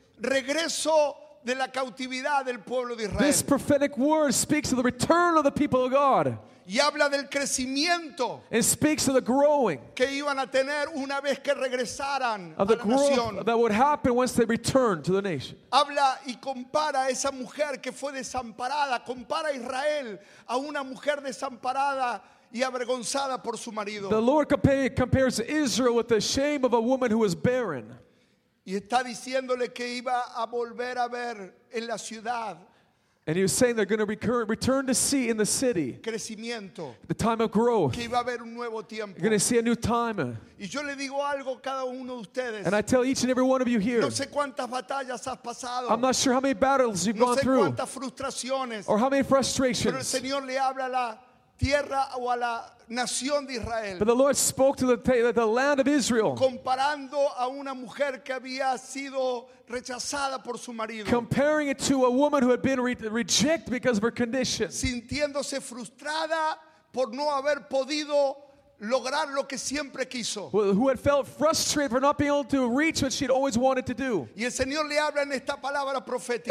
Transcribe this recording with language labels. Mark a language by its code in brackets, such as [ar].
[es] regreso de la cautividad del pueblo de Israel. [en] This prophetic word speaks of the return of the people of God. [es] Y habla del crecimiento. [en] It speaks of the growing. [es] Que iban a tener una vez que regresaran a la nación. [en] That would happen once they returned to the nation. [es] Habla y compara a esa mujer que fue desamparada. Compara a Israel a una mujer desamparada y avergonzada por su marido. [en] The Lord compares Israel with the shame of a woman who was barren. [es] Y está diciéndole que iba a volver a ver en la ciudad. [en] And he was saying they're going to return to see in the city. [es] Crecimiento. [en] The time of growth. [es] Que iba a haber un nuevo tiempo. [en] You're going to see a new time. [es] Y yo le digo algo a cada uno de ustedes. [en] And I tell each and every one of you here. [es] No sé cuántas batallas has pasado. [en] I'm not sure how many battles you've gone through. [es] No sé cuántas frustraciones. [en] Or how many frustrations. [es] Pero el Señor le habla a la tierra o a la nación de Israel. [en] But the Lord spoke to the land of Israel. [es] Comparando a una mujer que había sido rechazada por su marido. [en] Comparing it to a woman who had been rejected because of her condition. [es] Sintiéndose frustrada por no haber podido lograr lo que siempre quiso. [en] Who had felt frustrated for not being able to reach what she'd always wanted to do. [es] Y el Señor le habla en esta palabra profética.